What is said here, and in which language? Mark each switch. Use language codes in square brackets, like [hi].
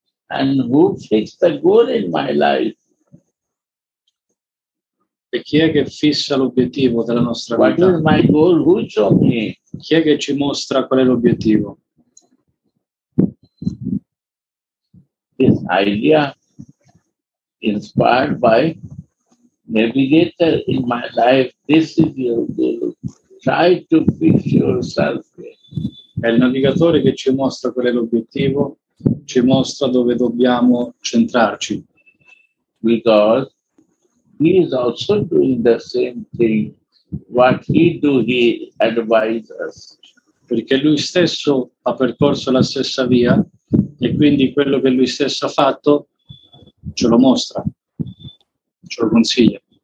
[en] And who fixed the goal in my life? [it] E chi è che fissa l'obiettivo della nostra vita? [en] What is my goal? Who show me? [it] Chi è che ci mostra qual è l'obiettivo? [en] This idea inspired by navigator in my life, this is your goal. Try to fix yourself. [it] È il navigatore che ci mostra qual è l'obiettivo, ci mostra dove dobbiamo centrarci. [en] Because he is also doing the same thing. What he do, he advises us. [it] Perché lui stesso ha percorso la stessa via e quindi quello che lui stesso ha fatto ce lo mostra, ce lo consiglia.